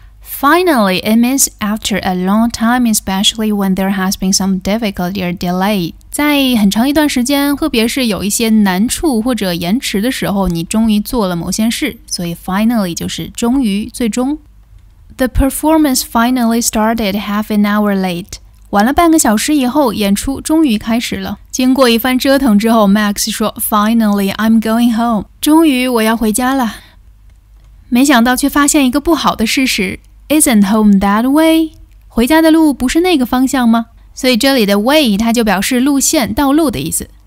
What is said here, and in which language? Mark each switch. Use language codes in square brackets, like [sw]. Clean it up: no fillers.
[en] Finally, it means after a long time, especially when there has been some difficulty or delay. [zh] 在很长一段时间，特别是有一些难处或者延迟的时候，你终于做了某些事。所以 finally 就是终于，最终。 [en] The performance finally started half an hour late. [zh] 晚了半个小时以后，演出终于开始了。经过一番折腾之后 ，Max 说 ： [en] “Finally, I'm going home. [zh] 终于我要回家了。” 没想到却发现一个不好的事实 ， [en] isn't home that way? [zh] 回家的路不是那个方向吗？所以这里的 way 它就表示路线、道路的意思。